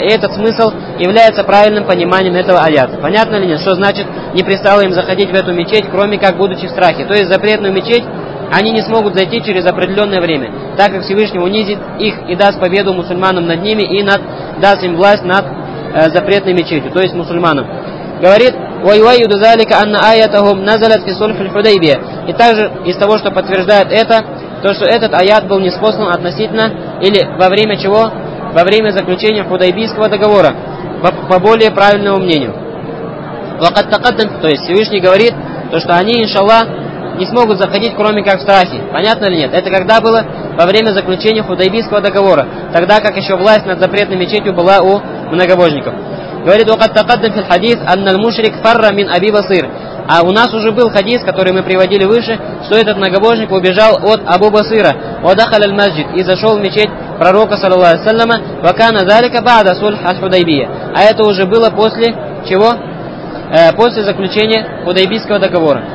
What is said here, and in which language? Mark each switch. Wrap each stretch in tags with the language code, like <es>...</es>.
<ru>И этот смысл является правильным пониманием этого аята. Понятно ли нет, что значит «не пристало им заходить в эту мечеть, кроме как будучи в страхе». То есть запретную мечеть они не смогут зайти через определенное время, так как Всевышний унизит их и даст победу мусульманам над ними, и даст им власть над запретной мечетью, то есть мусульманам. Говорит,</ru> <ar>وَيُوَيُّدُ ذَلِكَ أَنَّ آيَتَهُمْ نَزَلَتْ فِي صُلْحِ الْحُدَيْبِيَةِ.</ar> <ru>И также из того, что подтверждает это, то, что этот аят был ниспослан относительно, или во время чего? Во время заключения Худайбийского договора, по более правильному мнению.</ru> <ar>وَقَدْ تَقَدَّمْ.</ar> <ru>То есть Всевышний говорит, то, что они, иншаллах, не смогут заходить, кроме как в страхе. Понятно ли нет? Это когда было? Во время заключения Худайбийского договора, тогда как еще власть над запретной мечетью была у многобожников. Говорит,</ru> <ar>وَقَدْ تَقَدَّمْ فِي الْحَدِيثِ أَنَّ الْمُشْرِكَ فَرَّ مِنْ أَبِي بَصِيرٍ.</ar> <ru>А у нас уже был хадис, который мы приводили выше, что этот многобожник убежал от Абу Басира,</ru> <ar>وَدَخَلَ الْمَسْجِدَ,</ar> <ru>и зашел в мечеть пророка, саллаллаху алейхи ва саллям,</ru> <ar>وَكَانَ ذَلِكَ بَعْدَ صُلْحِ الْحُدَيْبِيَةِ.</ar> <ru>А это уже было после чего? После заключения Худайбийского договора.</ru>